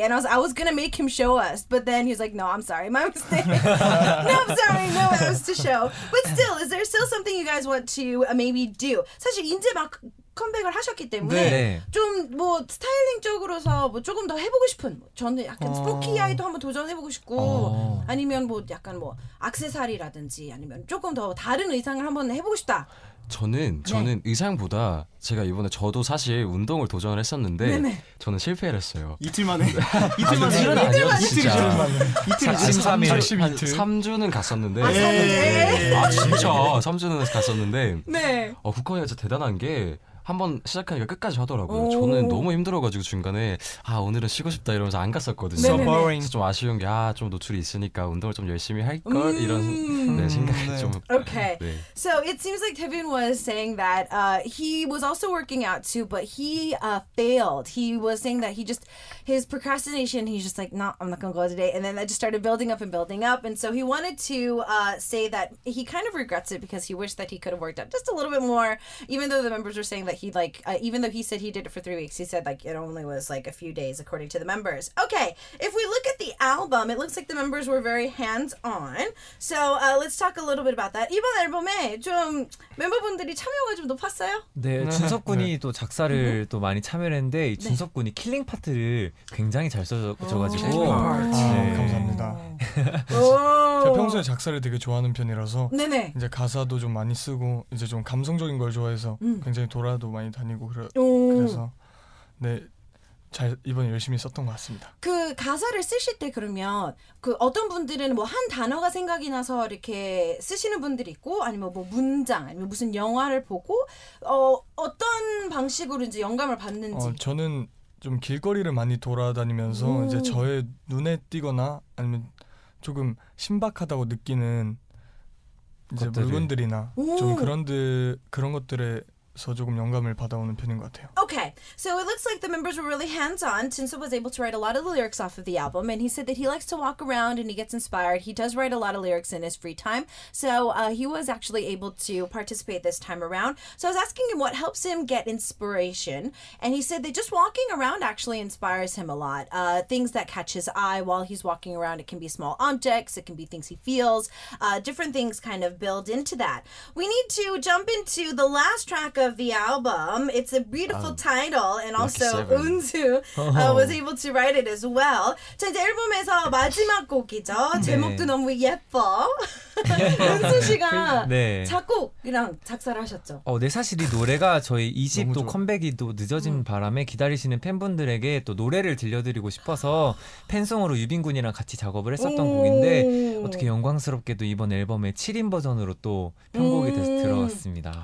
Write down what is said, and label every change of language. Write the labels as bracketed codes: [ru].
[en] And I was going to make him show us. But then he's like, no, I'm sorry. My mistake. No, I'm sorry. No abs to show. But still, is there still something you guys want to maybe do? [ko] 사실 이제 막 컴백을 하셨기 때문에 네. 좀 뭐 스타일링 쪽으로서 뭐 조금 더 해보고 싶은 저는 약간 스포키 아이도 한번 도전해보고 싶고 아니면 뭐 약간 뭐 악세사리라든지 아니면 조금 더 다른 의상을 한번 해보고 싶다. 저는 네. 의상보다 제가 이번에 저도 사실 운동을 도전을 했었는데 네네. 저는 실패를 했어요. 이틀 만에? 이틀 만에? 이틀 만에? 아니요, 이틀 만에? 3주? 3주는 갔었는데 아 진짜 3주는 갔었는데 국화가 진짜 대단한 게 한번 시작하니까 끝까지 하더라고요. 저는 너무 힘들어가지고 중간에 아 오늘은 쉬고 싶다 이러면서 안 갔었거든요. [en] So boring. [ko] 좀 아쉬운 게 아 좀 노출이 있으니까 운동을 좀 열심히 할 걸 이런 네, 생각이 네. 좀. Okay. 네. [en] So it seems like Taebin was saying that he was also working out too, but he failed. He was saying that his procrastination. He's just like, nah, I'm not gonna go today. And then that just started building up and building up. And so he wanted to say that he kind of regrets it because he wished that he could have worked out just a little bit more, even though the members were saying that even though he said he did it for 3 weeks, he said like it only was like a few days according to the members. Okay, if we look at the album, it looks like the members were very hands-on. So let's talk a little bit about that. [ko] 이번 앨범에 좀 멤버분들이 참여가 좀 높았어요? 네, 준석 군이 네. 또 작사를 또 많이 참여했는데 네. 준석 군이 킬링 파트를 굉장히 잘 써줘가지고 감사합니다. 제가 평소에 작사를 되게 좋아하는 편이라서 네네. 이제 가사도 좀 많이 쓰고 이제 좀 감성적인 걸 좋아해서 굉장히 돌아도 많이 다니고 그래서 네 잘 이번에 열심히 썼던 것 같습니다. 그 가사를 쓰실 때 그러면 그 어떤 분들은 뭐 한 단어가 생각이 나서 이렇게 쓰시는 분들이 있고 아니면 뭐 문장 아니면 무슨 영화를 보고 어떤 방식으로 이제 영감을 받는지. 저는 좀 길거리를 많이 돌아다니면서 이제 저의 눈에 띄거나 아니면 조금 신박하다고 느끼는 이제 물건들이나 좀 그런 것들에서 조금 영감을 받아오는 편인 것 같아요. [en] Okay, So it looks like the members were really hands-on. Jinseop was able to write a lot of the lyrics off of the album, and he said that he likes to walk around and he gets inspired. He does write a lot of lyrics in his free time, so he was actually able to participate this time around. So I was asking him what helps him get inspiration, and he said that just walking around actually inspires him a lot. Things that catch his eye while he's walking around, it can be small objects, it can be things he feels, different things kind of build into that. We need to jump into the last track of the album. It's a beautiful title, and also Eunsu was able to write it as well. [ko] 자, 이제 앨범에서 마지막 곡이죠. 제목도 네. 너무 예뻐. 은수 씨가 네. 작곡이랑 작사를 하셨죠? 네, 사실 이 노래가 저희 2집 또 컴백이 또 늦어진 바람에 기다리시는 팬분들에게 또 노래를 들려드리고 싶어서 팬송으로 유빈 군이랑 같이 작업을 했었던 곡인데 어떻게 영광스럽게도 이번 앨범에 7인 버전으로 또 편곡이 돼서 들어왔습니다.